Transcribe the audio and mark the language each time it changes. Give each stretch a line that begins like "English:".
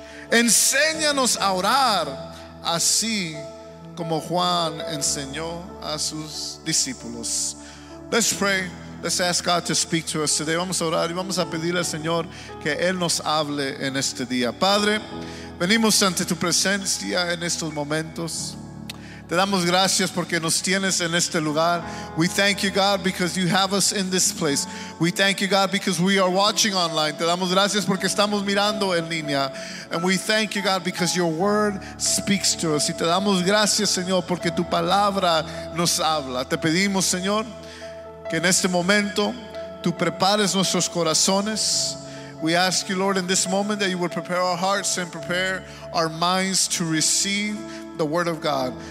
Spanish: Enséñanos a orar, así como Juan enseñó a sus discípulos.
English: Let's pray. Let's ask God to speak to us today.
Spanish: Vamos a orar y vamos a pedir al Señor que Él nos hable en este día. Padre, venimos ante tu presencia en estos momentos. Te damos gracias porque nos tienes en este lugar.
English: We thank you, God, because you have us in this place. We thank you, God, because we are watching online.
Spanish: Te damos gracias porque estamos mirando en línea.
English: And we thank you, God, because your word speaks to us.
Spanish: Y te damos gracias, Señor, porque tu palabra nos habla. Te pedimos, Señor, que en este momento tú prepares nuestros corazones.
English: We ask you, Lord, in this moment that you would prepare our hearts and prepare our minds to receive the word of God.